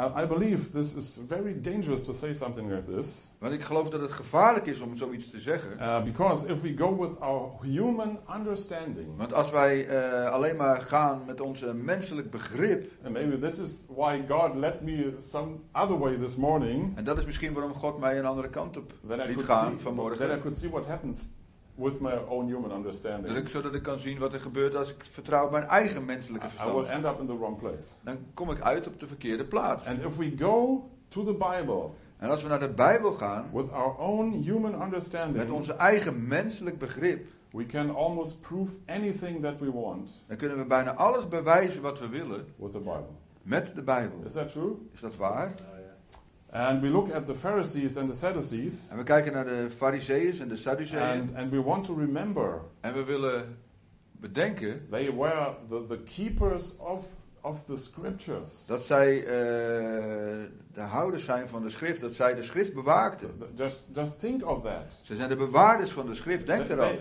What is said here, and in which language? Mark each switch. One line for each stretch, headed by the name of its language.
English: I believe this is very dangerous to say something like this.
Dutch: Want ik geloof dat het gevaarlijk is om zoiets te zeggen.
English: Because if we go with our human understanding.
Dutch: Want als wij alleen maar gaan met onze menselijk begrip.
English: And maybe this is why God led me some other way this morning.
Dutch: En dat is misschien waarom God mij een andere kant op liet gaan vanmorgen.
English: Then I could see what happens with my own human understanding.
Dutch: Dat ik zodat ik kan zien wat er gebeurt als ik vertrouw op mijn eigen menselijke verstand.
English: I will end up in the wrong place.
Dutch: Dan kom ik uit op de verkeerde plaats.
English: And if we go to the Bible.
Dutch: En als we naar de Bijbel gaan.
English: With our own human understanding.
Dutch: Met onze eigen menselijk begrip.
English: We can almost prove anything that we want.
Dutch: Dan kunnen we bijna alles bewijzen wat we willen.
English: With the Bible.
Dutch: Met de Bijbel.
English: Is that true?
Dutch: Is dat waar?
English: And we look at the Pharisees and the Sadducees.
Dutch: En we kijken naar de Farizeeën en de Sadduceeën.
English: And we want to remember.
Dutch: En we willen bedenken.
English: They were the keepers of the scriptures.
Dutch: Dat zij de houders zijn van de schrift, dat zij de schrift bewaakten.
English: Just think of that.
Dutch: Ze zijn de bewaarders van de schrift, denk eraan.